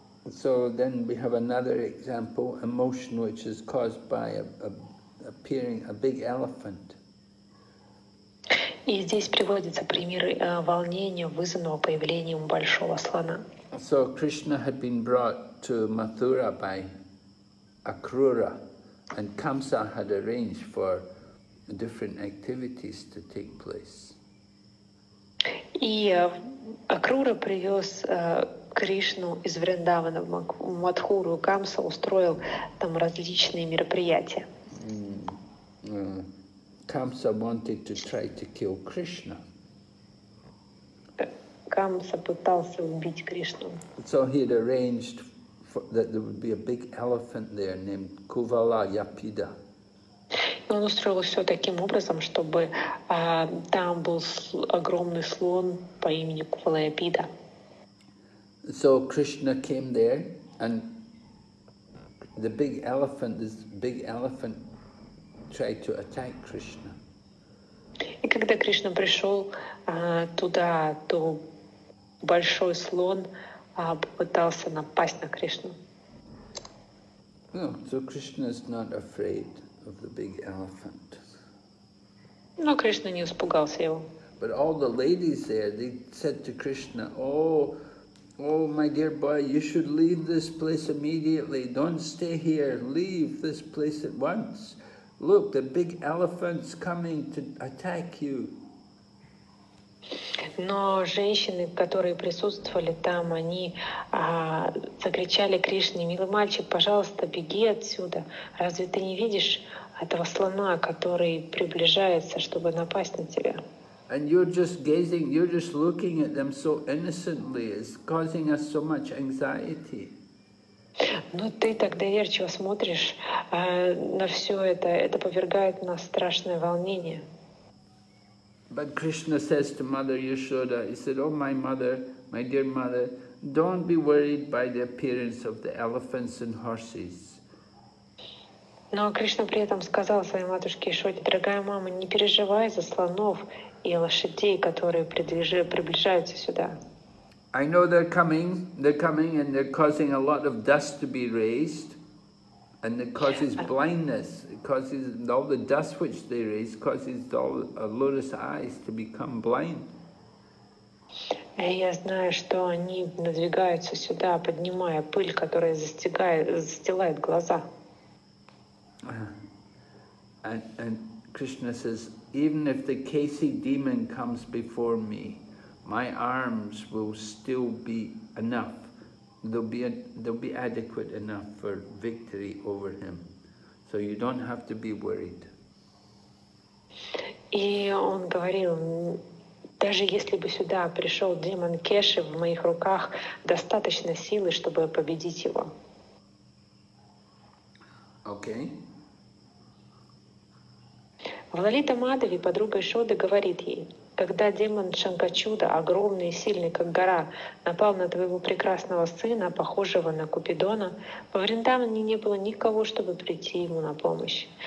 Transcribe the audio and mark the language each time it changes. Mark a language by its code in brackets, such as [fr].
[en] So then we have another example, emotion which is caused by appearing a big elephant. [ru] И здесь приводится пример волнения, вызванного появлением большого слона. [en] So Krishna had been brought to Mathura by Akrura, and Kamsa had arranged for different activities to take place. [ru] И Акрура привез Кришну из Вриндавана в Матхуру, Камса устроил там различные мероприятия. [en] Камса wanted to try to kill Krishna. [ru] Камса пытался убить Кришну. [en] So he had arranged that there would be a big elephant there named Kuvala Yapida. [ru] И он устроил все таким образом, чтобы там был огромный слон по имени Кувала Япида. [en] So Krishna came there, and the big elephant, this big elephant, tried to attack Krishna. [ru] И когда Кришна пришел туда, то большой слон попытался напасть на Кришну. [en] No, so Krishna is not afraid of the big elephant. [ru] Но Кришна не испугался его. [en] But all the ladies there, they said to Krishna, "Oh, Oh, my dear boy, you should leave this place immediately. Don't stay here. Leave this place at once. Look, the big elephant's coming to attack you. [ru] Но женщины, которые присутствовали там, они закричали Кришне: «Милый мальчик, пожалуйста, беги отсюда. Разве ты не видишь этого слона, который приближается, чтобы напасть на тебя?» [en] And you're just gazing, you're just looking at them so innocently, it's causing us so much anxiety. [ru] Но ты так доверчиво смотришь на все это повергает нас страшное волнение. [en] But Krishna says to Mother Yashoda, he said, oh my mother, my dear mother, don't be worried by the appearance of the elephants and horses. [ru] Но Кришна при этом сказал своей матушке Ишоде, дорогая мама, не переживай за слонов и лошадей, которые приближаются сюда. [en] I know they're coming and they're causing a lot of dust to be raised. And it causes blindness, it causes all the dust which they raise, causes all lotus eyes to become blind. [ru] Я знаю, что они надвигаются сюда, поднимая пыль, которая застилает глаза. [en] And Krishna says, even if the Kesi demon comes before me, my arms will still be enough. They'll be adequate enough for victory over him, so you don't have to be worried. [ru] И он говорил, даже если бы сюда пришел демон Кеши, в моих руках достаточно силы, чтобы победить его. [en] Okay. [ru] Лалита Мадави, подруга Ишоды, говорит ей: когда демон Шанкачуда, огромный и сильный, как гора, напал на твоего прекрасного сына, похожего на Купидона, во Вриндаване не было никого, чтобы прийти ему на помощь.